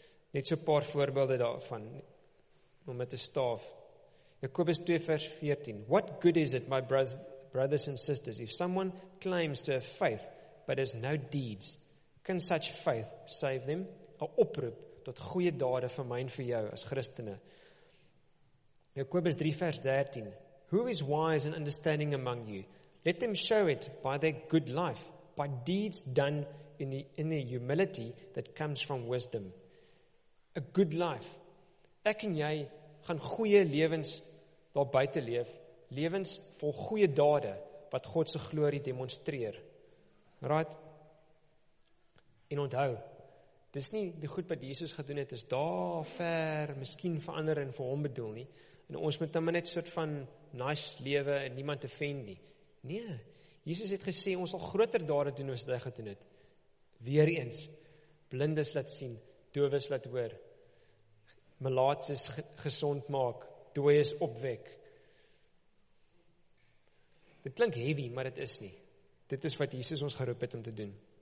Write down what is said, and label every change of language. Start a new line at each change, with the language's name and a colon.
Afrikaans: Net so 'n paar voorbeelde daarvan om met 'n staaf Jakobus 2 vers 14.
English: What good is it, my brothers and sisters, if someone claims to have faith, but has no deeds, can such faith save them?
Afrikaans: A oproep tot goeie dade vir my en vir jou as Christene. Jakobus 3 vers 13.
English: Who is wise and understanding among you? Let them show it by their good life, by deeds done in the humility that comes from wisdom. A good life.
Afrikaans: Ek en jy gaan goeie lewens daar buite leef, lewens vol goeie dade wat God se glorie demonstreer. Right? En onthou, dis nie die goed wat Jesus gedoen het, is daar ver, miskien vir ander en vir hom bedoel nie, en ons moet nou maar net soort van nice lewe en niemand te vend nie. Nee, Jesus het gesê, ons sal groter dade doen as wat hy gedoen het. Weer eens, blindes laat sien, dowes laat hoor, melaatses gesond maak, dooies opwek. Dit klink heavy, maar dit is nie. Dit is wat Jesus ons geroep het om te doen.